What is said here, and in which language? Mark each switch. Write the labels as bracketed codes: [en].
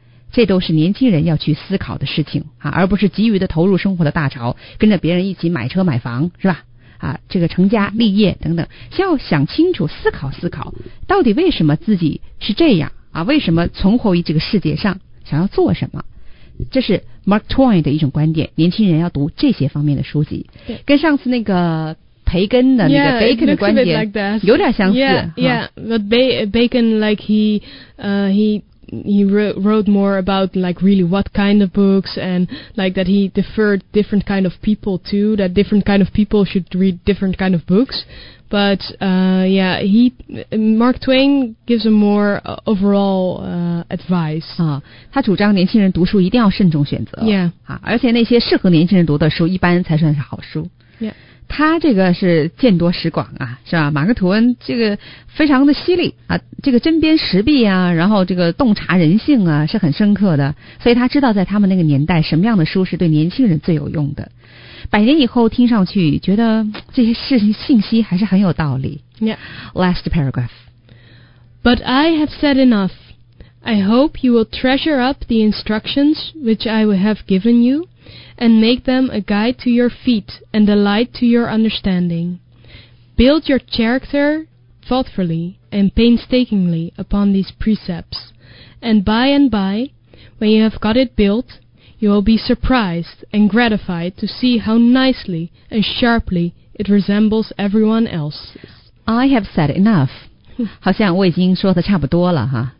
[zh] 这都是年轻人要去思考的事情、啊、而不是急于的投入生活的大潮跟着别人一起买车买房是吧、啊、这个成家立业等等先要想清楚思考思考到底为什么自己是这样、啊、为什么存活于这个世界上想要做什么这是 Mark Twain 的一种观点年轻人要读这些方面的书籍对跟上次那个培根的 [en] yeah, [zh] 那个 Bacon 的观点、 [en] like、 [zh] 有点相似 [en] yeah, yeah, but Bacon like he wrote more about like really what kind of books and like that he deferred different kind of people to that different kind of people should read different kind of books but yeah he Mark Twain gives a more overall advice [zh] 啊，他主张年轻人读书一定要慎重选择 [en] yeah [zh] 啊，而且那些适合年轻人读的书一般才算是好书 [en] yeah [zh] 他这个是见多识广啊，是吧？马克吐温这个非常的犀利啊，这个针砭时弊啊，然后这个洞察人性啊，是很深刻的。所以他知道在他们那个年代，什么样的书是对年轻人最有用的。百年以后听上去，觉得这些信息还是很有道理。 [en] Yeah. Last paragraph. But I have said enough. I hope you will treasure up the instructions which I have given you. And make them a guide to your feet and a light to your understanding. Build your character thoughtfully and painstakingly upon these precepts. And by, when you have got it built, you will be surprised and gratified to see how nicely and sharply it resembles everyone else. I have said enough. [zh] 好像我已经说的差不多了哈。